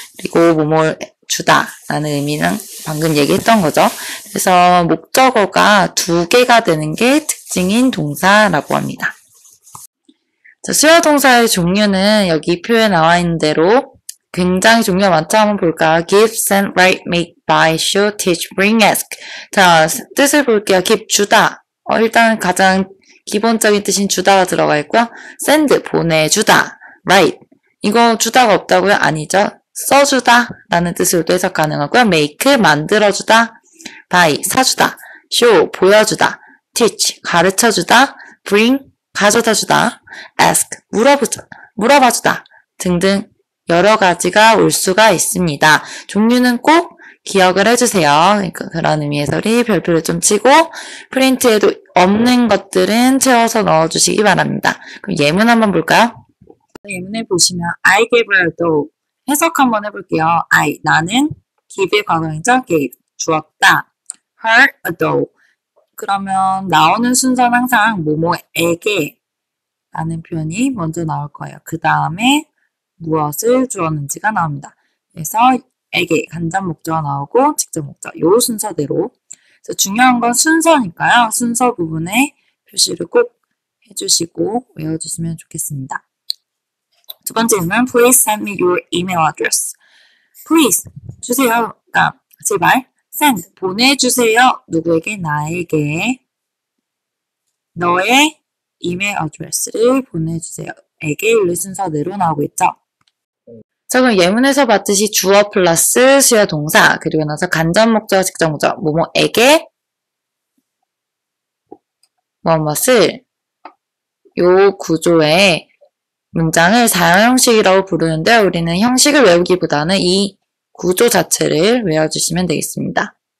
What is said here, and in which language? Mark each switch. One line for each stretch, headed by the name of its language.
Korean: 그리고 뭐뭐 주다라는 의미는 방금 얘기했던 거죠. 그래서 목적어가 두 개가 되는 게 특징인 동사라고 합니다. 자, 수야 동사의 종류는 여기 표에 나와 있는 대로 굉장히 종류가 많죠. 한번 볼까요?
English: Give, send, write, make, buy, show, teach, bring, ask.
Korean: 자, 뜻을 볼게요. Give, 주다. 일단 가장 기본적인 뜻인 주다가 들어가 있고요. Send, 보내주다. Write. 이거 주다가 없다고요? 아니죠. 써주다라는 뜻으로도 해석 가능하고요. make 만들어주다, buy 사주다, show 보여주다, teach 가르쳐주다, bring 가져다주다, ask 물어봐주다 등등 여러 가지가 올 수가 있습니다. 종류는 꼭 기억을 해주세요. 그런 의미에서 우리 별표를 좀 치고 프린트에도 없는 것들은 채워서 넣어주시기 바랍니다. 그럼 예문 한번 볼까요? 예문을 보시면
English: I give a dog.
Korean: 해석 한번 해볼게요. I, 나는 give의 과거형이죠. gave, 주었다.
English: her, a dog.
Korean: 그러면 나오는 순서는 항상 뭐뭐에게 라는 표현이 먼저 나올 거예요. 그 다음에 무엇을 주었는지가 나옵니다. 그래서 에게, 간접 목적어 나오고 직접 목적어, 요 순서대로. 그래서 중요한 건 순서니까요. 순서 부분에 표시를 꼭 해주시고 외워주시면 좋겠습니다. 두 번째 질문,
English: please send me your email address.
Korean: Please, 주세요. 그러니까 제발, send, 보내주세요. 누구에게? 나에게. 너의 email address를 보내주세요. 에게 이 순서대로 나오고 있죠. 자, 그럼 예문에서 봤듯이 주어 플러스 수야 동사, 그리고 나서 간접 목적어, 직접 목적어, 뭐뭐에게, 뭐뭐을, 요 구조에 문장을 사형식이라고 부르는데 우리는 형식을 외우기보다는 이 구조 자체를 외워주시면 되겠습니다.